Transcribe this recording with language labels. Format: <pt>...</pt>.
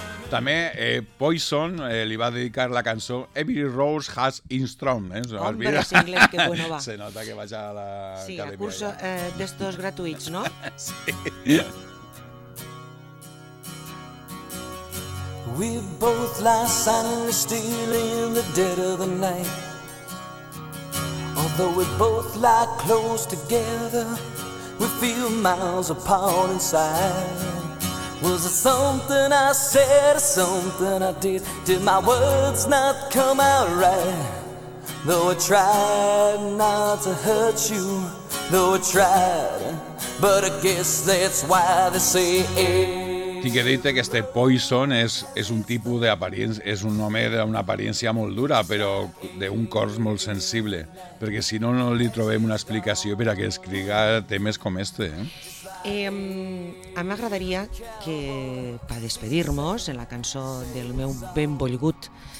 <ca>També Poison li va dedicar la cançó Every Rose Has Its Thorn. Hombre, és inglès,</ca> <es>que bueno va.</es> <ca>Se nota que vaig a la sí, academia. Sí, a curso d'estos gratuïts, no? Sí.</ca> <en>We both lie silently still in the dead of the night. Although we both lie close together, we feel miles apart inside. Was it something I said or something I did? Did my words not come out right? Though I tried not to hurt you, though I tried, but I guess that's why they say it.</en> <ca>Tinc que dir-te que este Poison és un tipus d'apariència, és un home d'una apariència molt dura, però d'un cor molt sensible, perquè si no, no li trobem una explicació per a que escriga temes com este. A mi m'agradaria que, per despedir-nos en la cançó del meu benvolgut</ca>